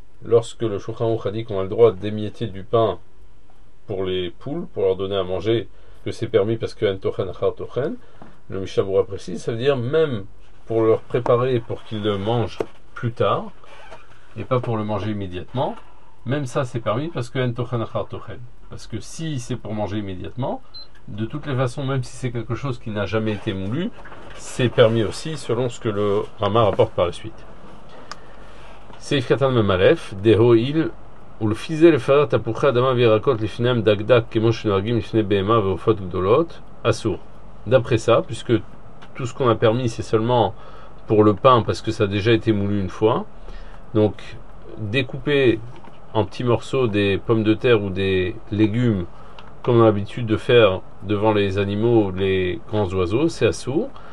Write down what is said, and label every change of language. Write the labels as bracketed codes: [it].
[fr] Lorsque le Shulchan Aruch a dit qu'on a le droit d'émietter du pain pour les poules, pour leur donner à manger, que c'est permis parce que « [he] en tochen achar tochen [fr] », le Mishnah Brura précise, ça veut dire même pour leur préparer pour qu'ils le mangent plus tard, et pas pour le manger immédiatement, même ça c'est permis parce que « en tochen achar tochen ». Parce que si c'est pour manger immédiatement, de toutes les façons, même si c'est quelque chose qui n'a jamais été moulu, c'est permis aussi selon ce que le Rama rapporte par la suite. [he] Seif Katan Memalef, Dehoil, ולפי זה לפרר תפוחי אדמה וירקות לפני המדקדק כמו שנוהגים לפני בהמה ועופות גדולות, אסור. [fr] D'après ça, puisque tout ce qu'on a permis c'est seulement pour le pain parce que ça a déjà été moulu une fois, donc découper en petits morceaux des pommes de terre ou des légumes comme on a l'habitude de faire devant les animaux ou les grands oiseaux, c'est assourd.